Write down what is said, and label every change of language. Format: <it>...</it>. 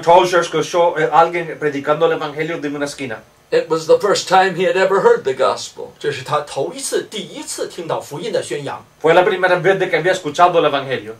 <es>Tozer escuchó a alguien predicando el evangelio de una esquina.</es> <en>It was the first time he had ever heard the gospel.</en> <zh>这是他头一次，第一次听到福音的宣扬。</zh> <es>Fue la primera vez que había escuchado el evangelio.</es>